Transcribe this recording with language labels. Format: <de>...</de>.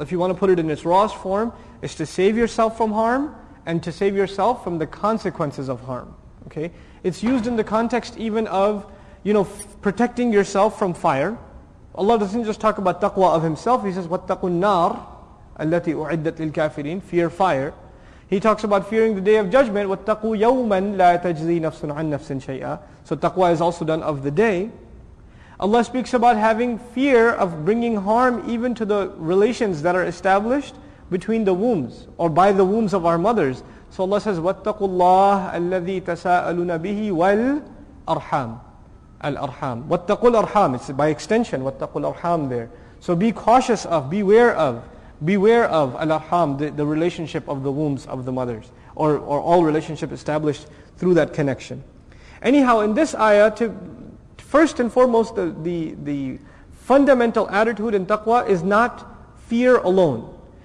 <en>If you want to put it in its rawest form, it's to save yourself from harm and to save yourself from the consequences of harm. Okay, it's used in the context even of, you know, protecting yourself from fire. Allah doesn't just talk about taqwa of Himself. He says,</en> <ar>وَاتَّقُوا النَّارَ الَّتِي أُعِدَّتْ لِلْكَافِرِينَ.</ar> <en>Fear fire. He talks about fearing the Day of Judgment.</en> <ar>وَاتَّقُوا يَوْمًا لَا تَجْزِي نَفْسٌ عَنْ نَفْسٍ شَيْئًا.</ar> <en>So taqwa is also done of the day. Allah speaks about having fear of bringing harm even to the relations that are established between the wombs or by the wombs of our mothers. So Allah says,</en> <ar>وَاتَّقُوا اللَّهَ الَّذِي تَسَاءَلُونَ بِهِ وَالْأَرْحَامِ. الْأَرْحَامِ. وَاتَّقُوا الْأَرْحَامِ.</ar> <en>It's by extension,</en> <ar>وَاتَّقُوا الْأَرْحَامِ</ar> <en>there. So be cautious of, beware of al-arham, the relationship of the wombs of the mothers, or all relationship established through that connection. Anyhow, in this ayah, first and foremost, the fundamental attitude in taqwa is not fear alone.</en>